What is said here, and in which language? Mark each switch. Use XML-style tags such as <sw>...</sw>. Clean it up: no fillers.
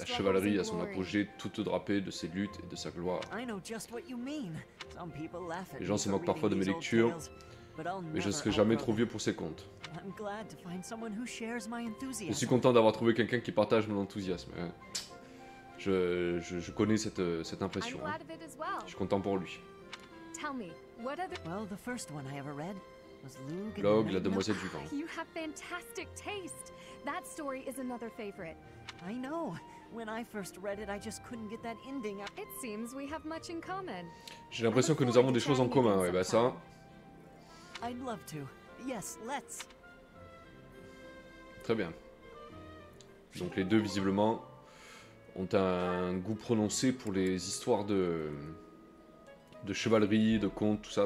<fr>la chevalerie à son apogée, toute drapée de ses luttes et de sa gloire.</fr> <en>I know just what you mean. Some people laugh at</en> <fr>les gens se moquent parfois de mes lectures, mais je ne serai jamais trop vieux pour ces contes.</fr> <en>I'm glad to find someone who shares my enthusiasm.</en> <fr>Je suis content d'avoir trouvé quelqu'un qui partage mon enthousiasme. Je connais cette impression.</fr> <en>I'm glad of it as well.</en> <fr>Je suis content pour lui.</fr> <en>Tell me, what other... well, the first one I ever read.</en> <fr>L'ogre, la demoiselle du vent.</fr> <en>You have fantastic taste. That story is another favorite. I know. When I first read it, I just couldn't get that ending. It seems we have much in common.</en> <fr>J'ai l'impression que nous avons des choses en commun. Ouais, bah ça.</fr> <en>I'd love to. Yes, let's.</en> <fr>Très bien. Donc les deux visiblement ont un goût prononcé pour les histoires de chevalerie, de contes, tout ça.</fr>